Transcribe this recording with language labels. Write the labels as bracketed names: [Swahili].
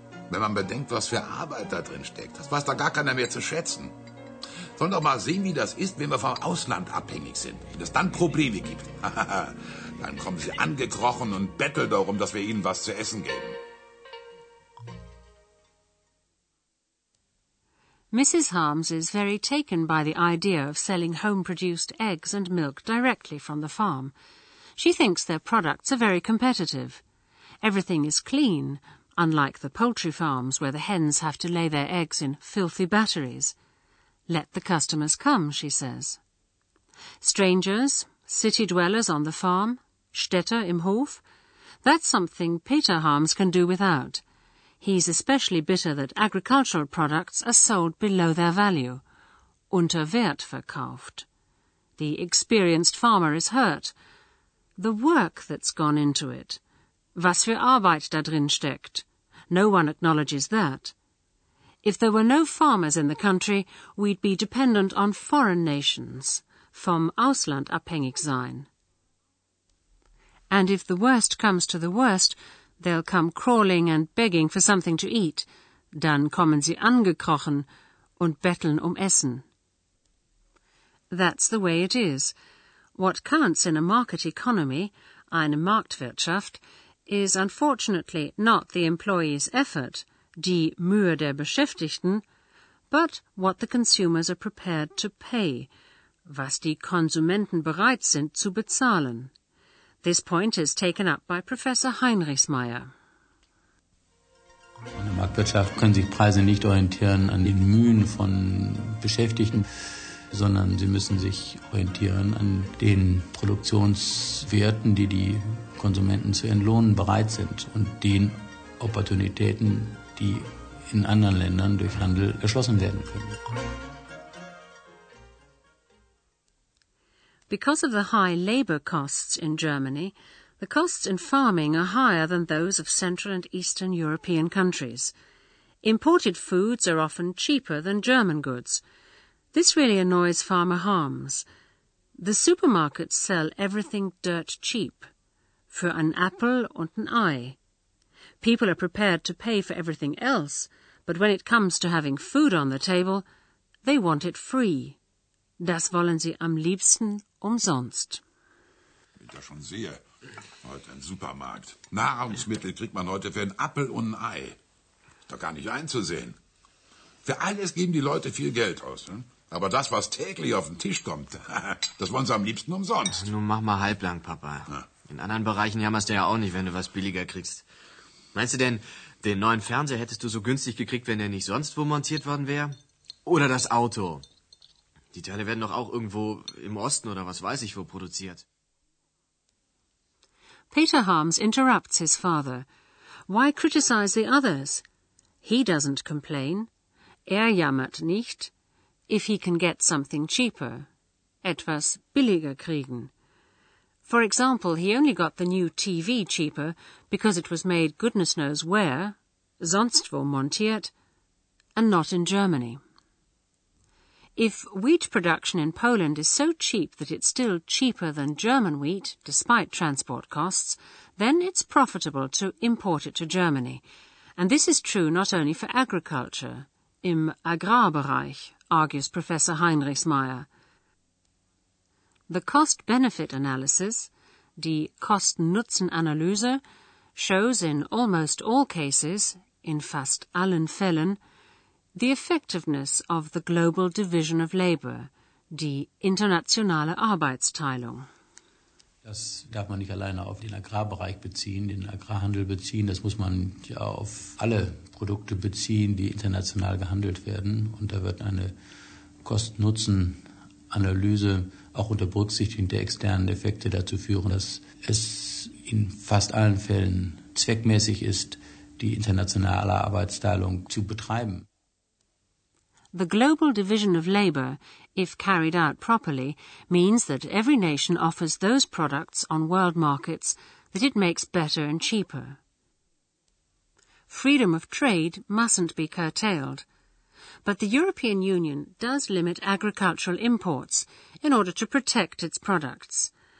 [German] Wenn man bedenkt, was für Arbeit da drin steckt, das weiß da gar keiner mehr zu schätzen. Sollen doch mal sehen, wie das ist, wenn wir vom Ausland abhängig sind. Wenn es dann Probleme gibt, dann kommen sie angekrochen und betteln darum, dass wir ihnen was zu essen geben. [English] Mrs. Harms is very taken by the idea of selling home-produced eggs and milk directly from the farm. She thinks their products are very competitive. Everything is clean, unlike the poultry farms where the hens have to lay their eggs in filthy batteries. Let the customers come, she says. Strangers, city dwellers on the farm, [German] Städter im Hof, [English] that's something Peter Harms can do without. He's especially bitter that agricultural products are sold below their value, [German] unter Wert verkauft. [English] The experienced farmer is hurt. The work that's gone into it, [German] was für Arbeit da drin steckt, [English] no one acknowledges that. If there were no farmers in the country, we'd be dependent on foreign nations, [German] vom Ausland abhängig sein. [English] And if the worst comes to the worst, they'll come crawling and begging for something to eat. [German] Dann kommen sie angekrochen und betteln Essen. [English] That's the way it is. What counts in a market economy, [German] eine Marktwirtschaft, [English] is unfortunately not the employee's effort, [German] die Mühe der Beschäftigten, [English] but what the consumers are prepared to pay, [German] was die Konsumenten bereit sind zu bezahlen. [English] This point is taken up by Professor Heinrichsmeier. [German] In der Marktwirtschaft können sich Preise nicht orientieren an den Mühen von Beschäftigten, sondern sie müssen sich orientieren an den Produktionswerten, die die Konsumenten zu entlohnen bereit sind und den Opportunitäten, die in anderen Ländern durch Handel erschlossen werden können. [English] Because of the high labor costs in Germany, the costs in farming are higher than those of Central and Eastern European countries. Imported foods are often cheaper than German goods. This really annoys Farmer Harms. The supermarkets sell everything dirt cheap, [German] für ein Apfel und ein Ei. [English] People are prepared to pay for everything else, but when it comes to having food on the table, they want it free. [German] Das wollen sie am liebsten umsonst. Wie ich ja schon sehe, heute ein Supermarkt. Nahrungsmittel kriegt man heute für einen Apfel und ein Ei. Ist doch gar nicht einzusehen. Für alles geben die Leute viel Geld aus. Hm? Aber das, was täglich auf den Tisch kommt, das wollen sie am liebsten umsonst. Ach, nun mach mal halblang, Papa. In anderen Bereichen jammerst du ja auch nicht, wenn du was billiger kriegst. Meinst du denn, den neuen Fernseher hättest du so günstig gekriegt, wenn der nicht sonst wo montiert worden wäre? Oder das Auto? Die Teile werden doch auch irgendwo im Osten oder was weiß ich wo produziert. [English] Peter Harms interrupts his father. Why criticize the others? He doesn't complain. [German] Jammert nicht. [English] If he can get something cheaper. [German] Etwas billiger kriegen. [English] For example, he only got the new TV cheaper because it was made goodness knows where, [German] sonst wo montiert, [English] and not in Germany. If wheat production in Poland is so cheap that it's still cheaper than German wheat, despite transport costs, then it's profitable to import it to Germany. And this is true not only for agriculture. [German] Im Agrarbereich, [English] argues Professor Heinrichsmeier. The cost-benefit analysis, [German] die Kosten-Nutzen-Analyse, [English] shows in almost all cases, [German] in fast allen Fällen, [English] the effectiveness of the global division of labor, [German] die internationale Arbeitsteilung. Das darf man nicht alleine auf den Agrarbereich beziehen, den Agrarhandel beziehen. Das muss man ja auf alle Produkte beziehen, die international gehandelt werden. Und da wird eine Kosten-Nutzen-Analyse auch unter Berücksichtigung der externen Effekte dazu führen, dass es in fast allen Fällen zweckmäßig ist, die internationale Arbeitsteilung zu betreiben. [English] The global division of labor, if carried out properly, means that every nation offers those products on world markets that it makes better and cheaper. Freedom of trade mustn't be curtailed. But the European Union does limit agricultural imports in order to protect its products.